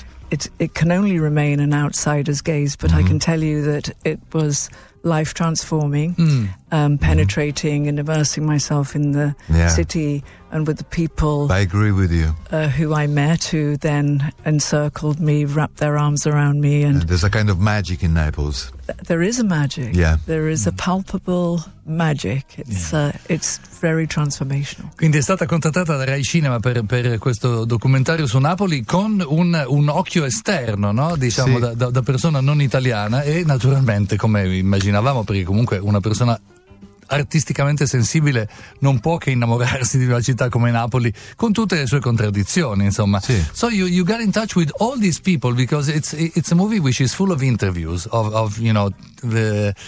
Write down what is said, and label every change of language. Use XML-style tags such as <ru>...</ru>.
<en>It can only remain an outsider's gaze, but mm-hmm. I can tell you that it was life transforming, penetrating and immersing myself in the city and with the people. I agree with you. Who I met, who then encircled me, wrapped their arms around me. And there's a kind of magic in Naples. There is a magic. Yeah. There is a palpable magic. It's very transformational.</en> <it>Quindi è stata contattata da Rai Cinema per questo documentario su Napoli con un occhio esterno, no? Diciamo da persona non italiana, e naturalmente, come immaginavamo, perché comunque una persona artisticamente sensibile non può che innamorarsi di una città come Napoli con tutte le sue contraddizioni, insomma. Sì.</it> <en>So you got in touch with all these people because it's a movie which is full of interviews of you know the</en>